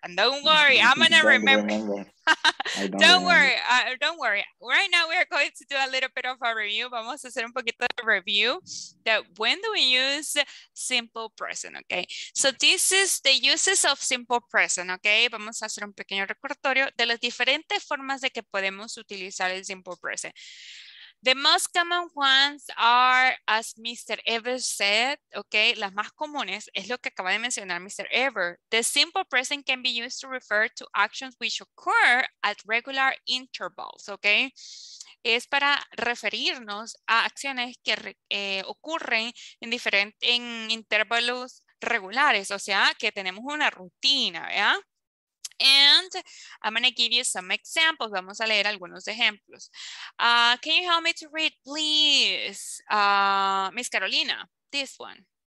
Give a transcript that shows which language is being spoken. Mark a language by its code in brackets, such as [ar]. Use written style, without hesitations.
[en] And don't worry, I'm going to remember. Don't worry. Right now, we are going to do a little bit of a review. [es] Vamos a hacer un poquito de review [en] that when do we use simple present, okay? So this is the uses of simple present, okay? [es] Vamos a hacer un pequeño recordatorio de las diferentes formas de que podemos utilizar el simple present. [en] The most common ones are, as Mr. Ever said, okay, [es] las más comunes es lo que acaba de mencionar Mr. [en] Ever. The simple present can be used to refer to actions which occur at regular intervals, okay? [es] Es para referirnos a acciones que ocurren en intervalos regulares, o sea, que tenemos una rutina, ¿ya? [en] And I'm going to give you some examples. [es] Vamos a leer algunos ejemplos. [en] Can you help me to read, please? Miss Carolina, this one.